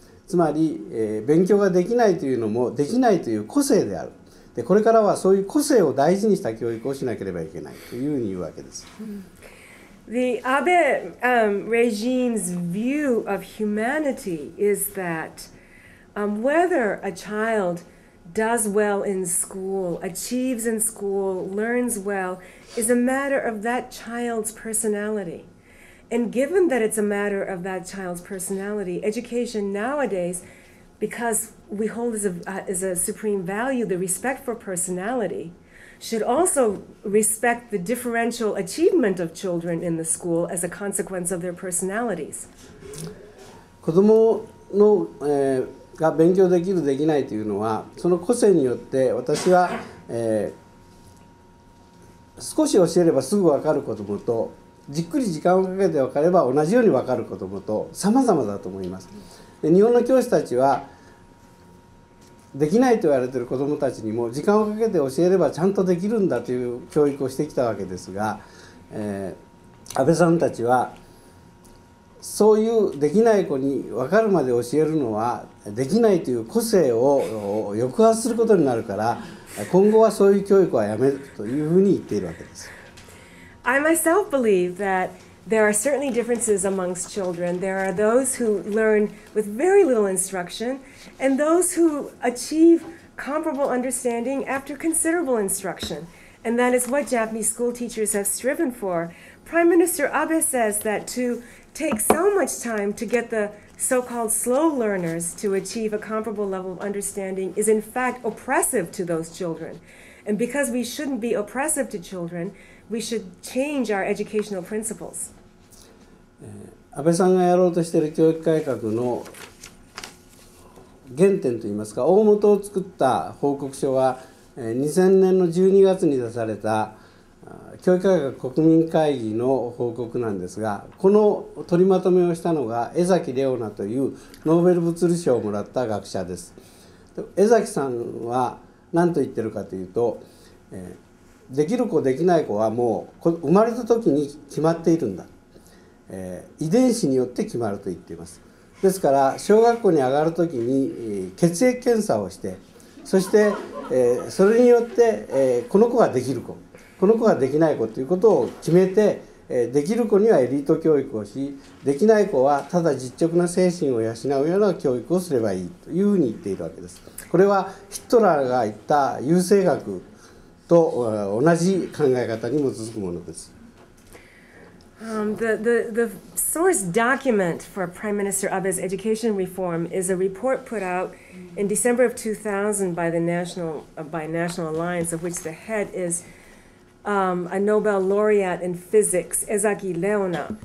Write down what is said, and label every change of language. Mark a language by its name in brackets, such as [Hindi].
[Japanese] つまり、勉強ができないというのもできないという個性である。で、これからはそういう個性を大事にした教育をしなければいけないというふうに言うわけです。 [English] The Abe regime's view of humanity is that whether a child does well in school, achieves in school, learns wellis a matter of that child's personality. And given that it's a matter of that child's personality, education nowadays, because we hold as a supreme value the respect for personality, should also respect the differential achievement of children in the school as a consequence of their personalities. [Japanese] 子どもの、が勉強できる、できないというのは、その個性によって私は、少し教えればすぐ分かる子どもと、じっくり時間をかけて分かれば同じように分かる子どもと、様々だと思います。で、日本の教師たちはできないと言われている子どもたちにも時間をかけて教えればちゃんとできるんだという教育をしてきたわけですが、安倍さんたちはそういうできない子に分かるまで教えるのはできないという個性を抑圧することになるから、今後はそういう教育はやめるというふうに言っているわけです。 [English] I myself believe that there are certainly differences amongst children. There are those who learn with very little instruction, and those who achieve comparable understanding after considerable instruction. And that is what Japanese school teachers have striven for. Prime Minister Abe says that to take so much time to get the so-called slow learners to achieve a comparable level of understanding is in fact oppressive to those children. And because we shouldn't be oppressive to children, we should change our educational principles. [Japanese] 安倍さんがやろうとしている教育改革の原点といいますか、大元を作った報告書は、2000年の12月に出された教育改革国民会議の報告なんですが、この取りまとめをしたのが江崎レオナというノーベル物理賞をもらった学者です。江崎さんは何と言ってるかというと、できる子できない子はもう生まれた時に決まっているんだ、遺伝子によって決まると言っています。ですから小学校に上がる時に血液検査をして、そしてそれによってこの子ができる子、この子ができない子ということを決めて、できる子にはエリート教育をし、できない子はただ実直な精神を養うような教育をすればいいというふうに言っているわけです。これはヒトラーが言った優生学と同じ考え方に基づくものです。 [English] The source document for Prime Minister Abe's education reform is a report put out in December of 2000 by the National National Alliance, of which the head is a Nobel laureate in physics, Ezaki Leona.